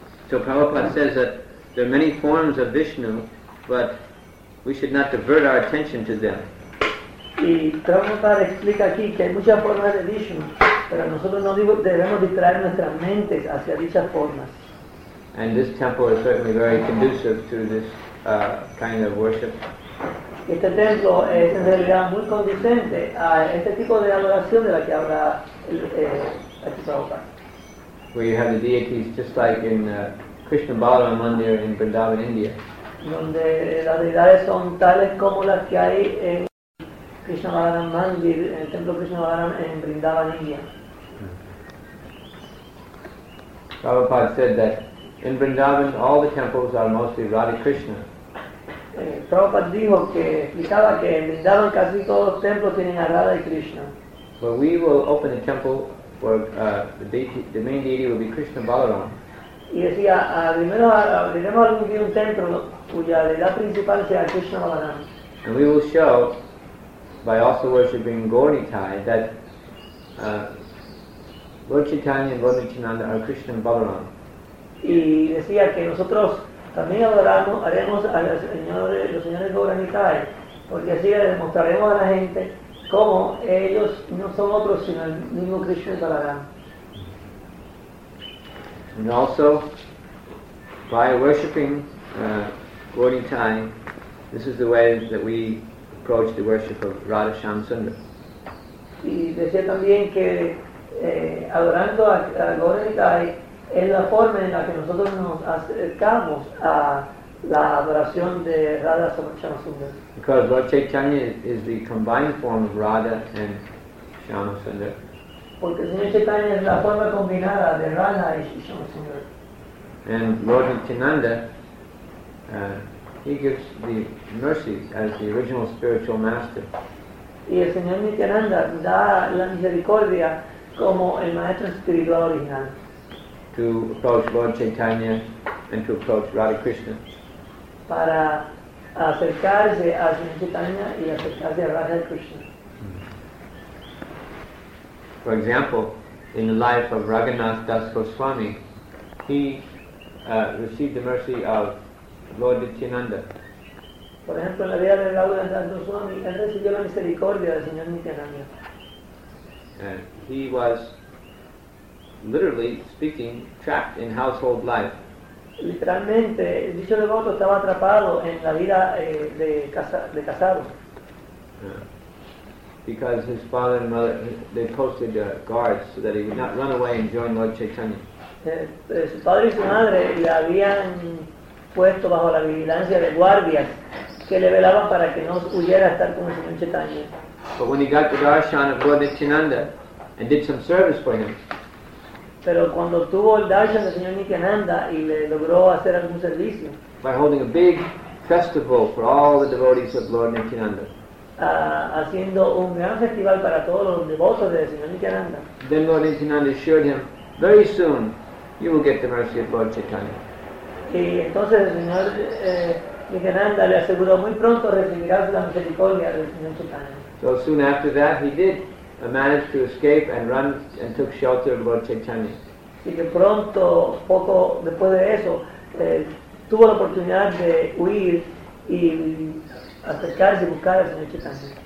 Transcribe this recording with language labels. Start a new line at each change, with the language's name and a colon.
English: So Prabhupada says that there are many forms of Vishnu, but we should not divert our attention to them.
Spanish: Y Prabhupada explica aquí que hay muchas formas de Vishnu, pero nosotros no debemos distraer nuestras mentes hacia dichas formas.
English: And this temple is certainly very conducive to this kind of worship.
Spanish: Este templo es en realidad muy conducente a este tipo de adoración de la que habla aquí Prabhupada.
English: Where you have the deities just like in Krishna Balaram Mandir in Vrindavan, India.
Spanish: Donde las deidades son tales como las que hay en Krishna Balaram Mandir, en el templo Krishna Balaram en Vrindavan, India.
English: Prabhupada said that in Vrindavan all the temples are mostly Radha Krishna.
Spanish: Prabhupada dijo que explicaba que en Vrindavan casi todos los templos tienen a Radha y Krishna.
English: But we will open a temple where the main deity will be Krishna Balaram.
Spanish: Y decía, primero abriremos algún día un templo cuya deidad principal sea Krishna Balaram.
English: And we will show, by also worshipping Gaurinitai, that Lord Chaitanya and Lord Nityananda are Krishna Balaram.
Spanish: Y decía que nosotros también adoramos, haremos a los señores Gaurinitai, porque así le demostraremos a la gente como ellos no son otros sino el mismo Krishna Balaram.
English: And also, by worshipping Gauri Thai, this is the way that we approach the worship of Radha Shyam Sundar.
Spanish: Y decía también que adorando a Gauri Thai es la forma en la que nosotros nos acercamos a la adoración de Radha Shyam Sundar.
English: Because Lord Chaitanya is the combined form of Radha and Shyam Sundar.
Spanish: Porque el Señor Chaitanya es la forma combinada de Radha y Shyam Sundar.
English: And Lord Nityananda, he gives the mercies as the original spiritual master.
Spanish: Y el Señor Nityananda da la misericordia como el maestro espiritual original.
English: To approach Lord Chaitanya and to approach Radha Krishna.
Spanish: Para acercarse al Señor Chaitanya y acercarse a Radha Krishna.
English: For example, in the life of Raghunath Das Goswami, he received the mercy of Lord Nityananda.
Spanish: Por ejemplo, en la vida de Raghunath Das Goswami, él recibió la misericordia del Señor Nityananda.
English: He was literally speaking trapped in household life.
Spanish: Literalmente, el dicho devoto estaba atrapado en la vida de casado.
English: Because his father and mother, they posted guards so that he would not run away and join Lord Chaitanya.
Spanish: Su padre y su madre le habían puesto bajo la vigilancia de guardias que le velaban para que no huyera a estar con el Señor Chaitanya.
English: But when he got the darshan of Lord Nityananda and did some service for him,
Spanish: pero cuando tuvo el darshan del Señor Nityananda y le logró hacer algún servicio,
English: by holding a big festival for all the devotees of Lord Nityananda,
Spanish: haciendo un gran festival para todos los devotos del Señor Nityananda.
English: Then Lord Nityananda assured him, very soon you will get the mercy of Lord Chaitanya.
Spanish: Y entonces el Señor Nityananda le aseguró, muy pronto recibirás la misericordia del Señor Chaitanya.
English: So soon after that he did manage to escape and run and took shelter of Lord Chaitanya.
Spanish: Y que pronto, poco después de eso, tuvo la oportunidad de huir y acercarse y buscar al Señor Chaitanya.